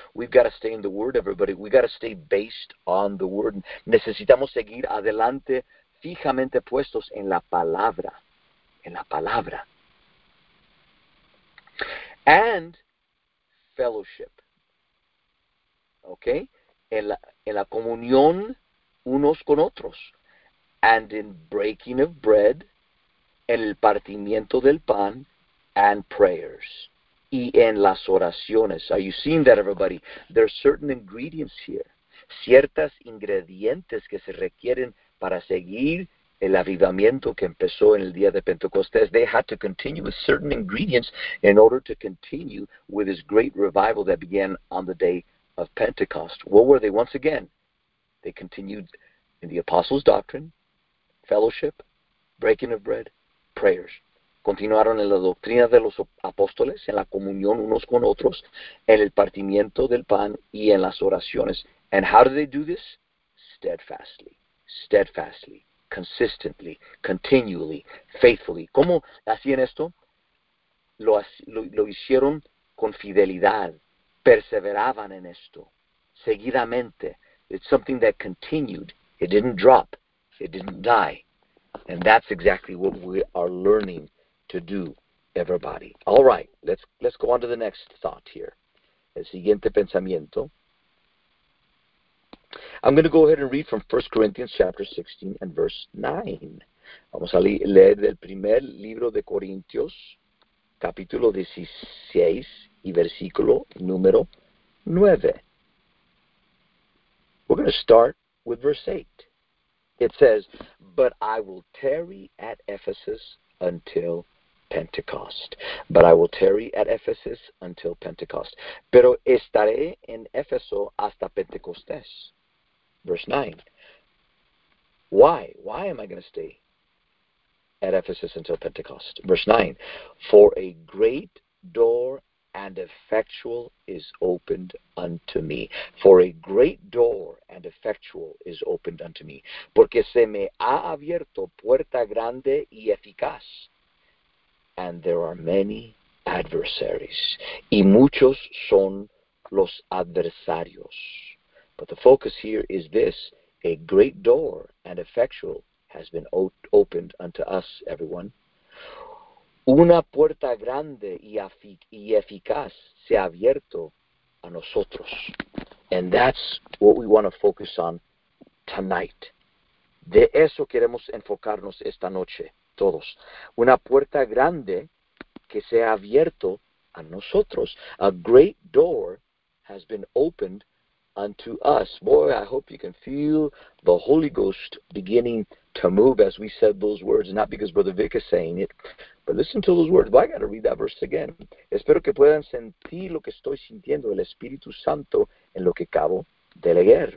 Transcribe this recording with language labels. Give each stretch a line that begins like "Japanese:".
English: We've got to stay in the Word, everybody. We've got to stay based on the Word.
Spanish: Necesitamos seguir adelante, fijamente puestos en la palabra. En la palabra.
English: And fellowship. Okay?
Spanish: En la comunión unos con otros.
English: And in breaking of bread,
Spanish: en el partimiento del pan,
English: and prayers.
Spanish: Y en las oraciones.
English: Are you seeing that, everybody? There are certain ingredients here.
Spanish: Ciertas ingredientes que se requieren para seguir el avivamiento que empezó en el día de Pentecostés.
English: They had to continue with certain ingredients in order to continue with this great revival that began on the day of Pentecost. What were they once again? They continued in the apostles' doctrine, fellowship, breaking of bread, prayers.
Spanish: Continuaron en la doctrina de los apóstoles, en la comunión unos con otros, en el partimiento del pan y en las oraciones.
English: And how do they do this? Steadfastly. Steadfastly. Consistently. Continually. Faithfully.
Spanish: ¿Cómo hacían esto? Lo hicieron con fidelidad. Perseveraban en esto. Seguidamente.
English: It's something that continued. It didn't drop. It didn't die. And that's exactly what we are learning to do, everybody. All right, let's go on to the next thought here.
Spanish: El siguiente pensamiento.
English: I'm going to go ahead and read from 1 Corinthians chapter 16 and verse 9.
Spanish: Vamos a leer del primer libro de Corintios, capítulo 16 y versículo número 9.
English: We're going to start with verse 8. It says, "But I will tarry at Ephesus until Pentecost." But I will tarry at Ephesus until Pentecost.
Spanish: Pero estaré en Éfeso hasta Pentecostés.
English: Verse 9. Why? Why am I going to stay at Ephesus until Pentecost? Verse 9. For a great door and effectual is opened unto me. For a great door and effectual is opened unto me.
Spanish: Porque se me ha abierto puerta grande y eficaz.
English: And there are many adversaries.
Spanish: Y muchos son los adversarios.
English: But the focus here is this. A great door and effectual has been opened unto us, everyone.
Spanish: Una puerta grande y eficaz se ha abierto a nosotros.
English: And that's what we want to focus on tonight.
Spanish: De eso queremos enfocarnos esta noche. Todos. Una puerta grande que se ha abierto a nosotros.
English: A great door has been opened unto us. Boy, I hope you can feel the Holy Ghost beginning to move as we said those words. Not because Brother Vic is saying it, but listen to those words. Well, I got to read that verse again.
Spanish: Espero que puedan sentir lo que estoy sintiendo el Espíritu Santo en lo que acabo de leer.